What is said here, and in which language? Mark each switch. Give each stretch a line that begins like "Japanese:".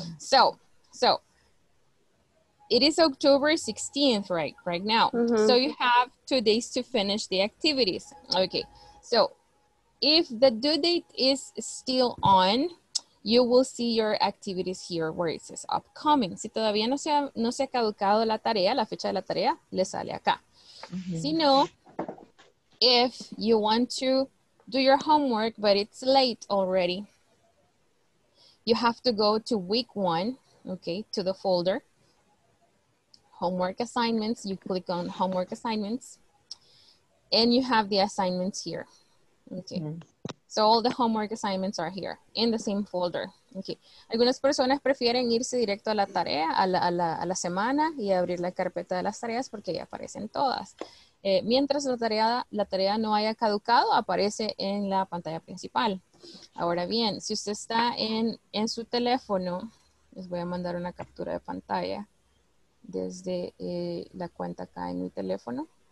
English: So, it is October 16th right now. Mm-hmm. So you have 2 days to finish the activities. Okay. So if the due date is still on, you will see your activities here where it says upcoming.
Spanish: Si todavía no se ha caducado la tarea, la fecha de la tarea, le sale acá. Mm-hmm. Si no,
English: if you want to do your homework, but it's late already, you have to go to week one, okay, to the folder. Homework assignments, you click on homework assignments and you have the assignments here. Okay. Mm-hmm. So all the homework assignments are here in the same folder. Okay.
Spanish: Algunas personas prefieren irse directo a la tarea, a la semana y abrir la carpeta de las tareas porque ya aparecen todas. Mientras la tarea no haya caducado, aparece en la pantalla principal. Ahora bien, si usted está en su teléfono, les voy a mandar una captura de pantalla desde la cuenta acá en mi teléfono.